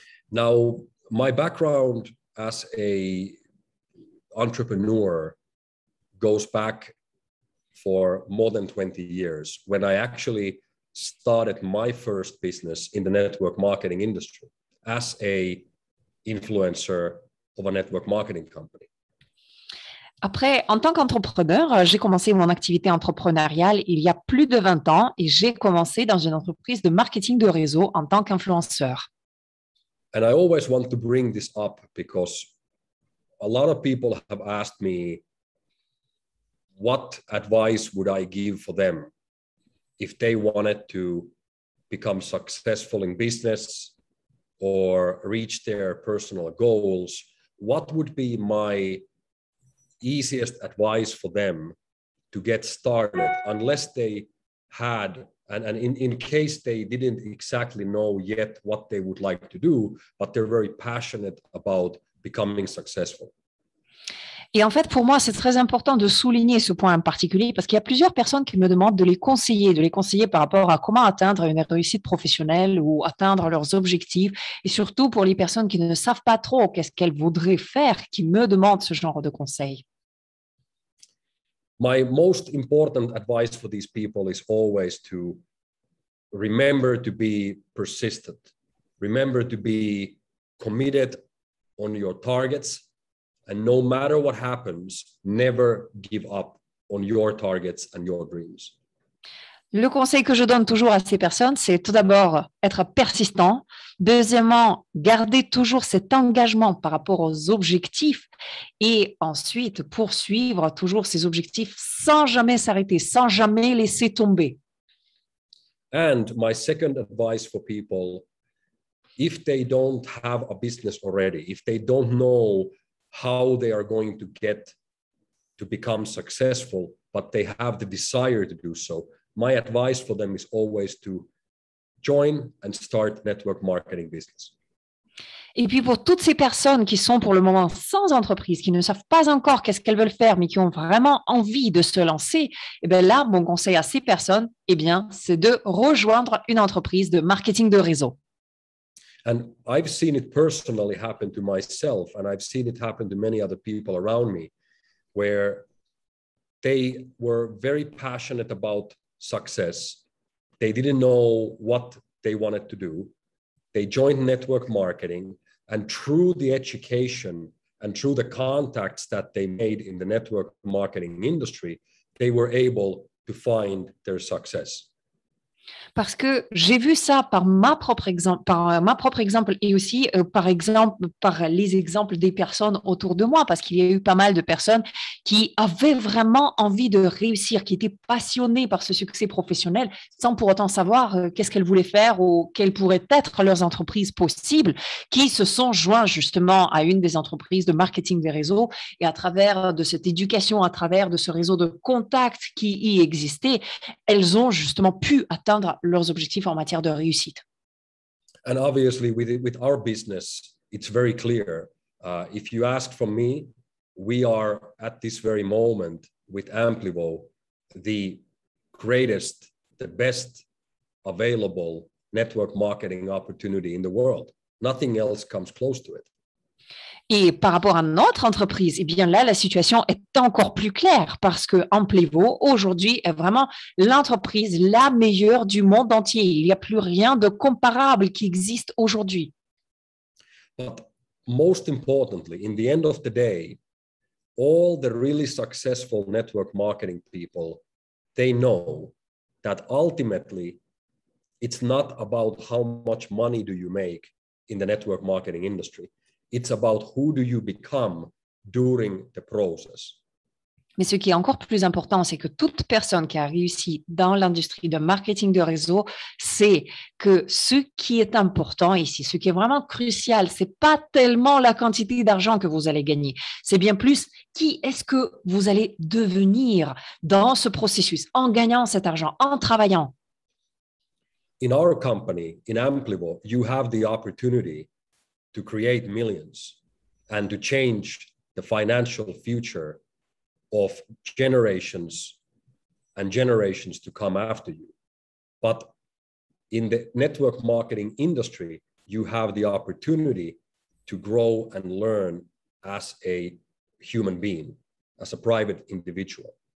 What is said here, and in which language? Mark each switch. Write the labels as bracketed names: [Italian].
[English] Now, my background as a entrepreneur goes back for more than 20 years when I actually started my first business in the network marketing industry as a influencer of a network marketing company. [French] Après, en tant qu'entrepreneur, j'ai commencé mon activité entrepreneuriale il y a plus de 20 ans et j'ai commencé dans une entreprise de marketing de réseau en tant qu'influenceur. [English] And I always want to bring this up because a lot of people have asked me what advice would I give for them if they wanted to become successful in business or reach their personal goals. What would be my easiest advice for them to get started unless they had and in case they didn't exactly know yet what they would like to do, but they're very passionate about becoming successful. [French] Et en fait, pour moi, c'est très important de souligner ce point en particulier parce qu'il y a plusieurs personnes qui me demandent de les conseiller par rapport à comment atteindre une réussite professionnelle ou atteindre leurs objectifs. Et surtout pour les personnes qui ne savent pas trop qu'est-ce qu'elles voudraient faire, qui me demandent ce genre de conseils. [English] My most important advice for these people is always to remember to be persistent. Remember to be committed on your targets. And no matter what happens, never give up on your targets and your dreams. [French] Le conseil que je donne toujours à ces personnes, c'est tout d'abord être persistant. Deuxièmement, garder toujours cet engagement par rapport aux objectifs. Et ensuite, poursuivre toujours ces objectifs sans jamais s'arrêter, sans jamais laisser tomber. [English] And my second advice for people, if they don't have a business already, if they don't know how they are going to get to become successful, but they have the desire to do so, my advice for them is always to join and start network marketing business. [French] Et puis pour toutes ces personnes qui sont pour le moment sans entreprise, qui ne savent pas encore qu'est-ce qu'elles veulent faire, mais qui ont vraiment envie de se lancer, et bien là, mon conseil à ces personnes, et bien, c'est de rejoindre une entreprise de marketing de réseau. [English] And I've seen it personally happen to myself, and I've seen it happen to many other people around me, where they were very passionate about success. They didn't know what they wanted to do. They joined network marketing, and through the education and through the contacts that they made in the network marketing industry, they were able to find their success. [French] Parce que j'ai vu ça par ma propre exemple et aussi par exemple par les exemples des personnes autour de moi, parce qu'il y a eu pas mal de personnes qui avaient vraiment envie de réussir, qui étaient passionnées par ce succès professionnel sans pour autant savoir qu'est-ce qu'elles voulaient faire ou quelles pourraient être leurs entreprises possibles, qui se sont joints justement à une des entreprises de marketing des réseaux. Et à travers de cette éducation, à travers de ce réseau de contacts qui y existait, elles ont justement pu atteindre leurs objectifs en matière de réussite. [English] And obviously with our business, it's very clear. If you ask from me, we are at this very moment with Amplivo, the greatest, the best available network marketing opportunity in the world. Nothing else comes close to it. [French] Et par rapport à notre entreprise, eh bien là, la situation est encore plus claire parce que Amplivo, aujourd'hui, est vraiment l'entreprise la meilleure du monde entier. Il n'y a plus rien de comparable qui existe aujourd'hui. [English] But most importantly, in the end of the day, all the really successful network marketing people, they know that ultimately, it's not about how much money do you make in the network marketing industry. It's about who do you become during the process. [French] Mais ce qui est encore plus important, c'est que toute personne qui a réussi dans l'industrie de marketing de réseau sait que ce qui est important ici, ce qui est vraiment crucial, ce n'est pas tellement la quantité d'argent que vous allez gagner, c'est bien plus qui est-ce que vous allez devenir dans ce processus, en gagnant cet argent, en travaillant. [English] In our company, in Amplivo, you have the opportunity to create millions and to change the financial future of generations and generations to come after you. But in the network marketing industry, you have the opportunity to grow and learn as a human being, as a private individual.